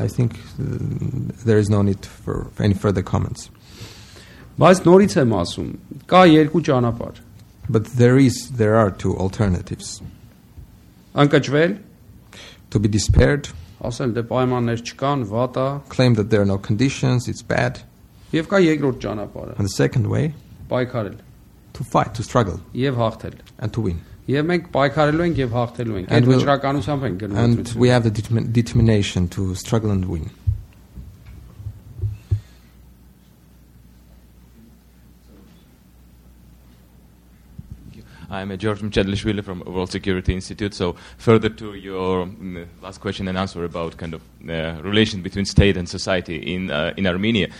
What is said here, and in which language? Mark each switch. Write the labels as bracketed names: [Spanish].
[English] I think there is no need for any further comments. [Armenian] Բայց նորից եմ ասում, կա երկու ճանապարհ. [English] But there are two alternatives. [Armenian] Անկճվել, [English] to be despaired, [Armenian] ասել դե պայմաններ չկան, վատ է, [English] claim that there are no conditions, it's bad. [Armenian] Եվ կա երկրորդ ճանապարհը. [English] And the second way, [Armenian] պայքարել. [English] To fight, to struggle. [Armenian] Եվ հաղթել. [English] And to win. [Armenian] Եվ մենք պայքարելու ենք եւ հաղթելու ենք։ Այդ վճռականությամբ ենք գնում։ [English] And we have the determination to struggle and win. I'm George Mchedlishvili from World Security Institute. So further to your last question and answer about kind of relation between state and society in Armenia.